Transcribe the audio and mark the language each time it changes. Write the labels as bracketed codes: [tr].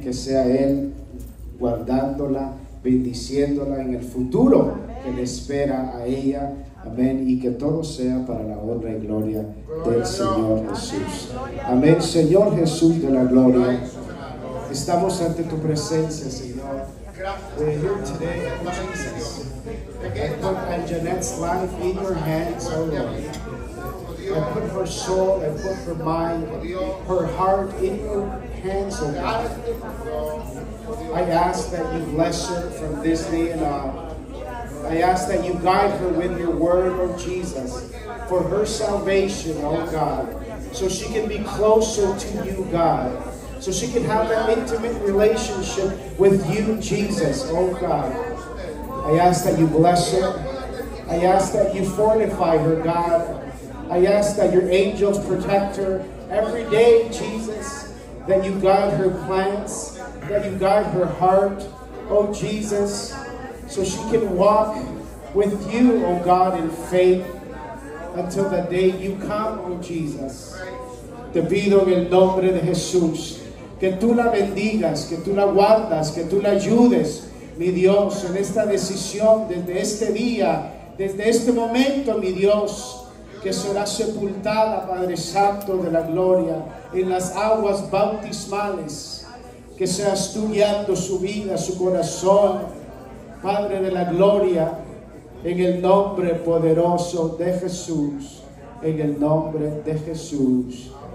[es] Que sea Él guardándola, bendiciéndola en el futuro que le espera a ella. Amén. Y que todo sea para la honra y gloria del Señor Jesús. Amén. Señor Jesús de la gloria, estamos ante tu presencia, Señor. [en] We're here today, Jesus. I put Anjanette's life in your hands, O Lord. I put her soul, I put her mind, her heart in your hands, O Lord. I ask that you bless her from this day and on. I ask that you guide her with your word, O Jesus, for her salvation, O God, so she can be closer to you, God. So she can have that intimate relationship with you, Jesus, oh God. I ask that you bless her. I ask that you fortify her, God. I ask that your angels protect her every day, Jesus. That you guide her plans. That you guide her heart, oh Jesus. So she can walk with you, oh God, in faith until the day you come, oh Jesus. [es] Te pido en el nombre de Jesús. Que tú la bendigas, que tú la guardas, que tú la ayudes, mi Dios, en esta decisión, desde este día, desde este momento, mi Dios, que será sepultada, Padre Santo de la Gloria, en las aguas bautismales, que seas tú guiando su vida, su corazón, Padre de la Gloria, en el nombre poderoso de Jesús, en el nombre de Jesús.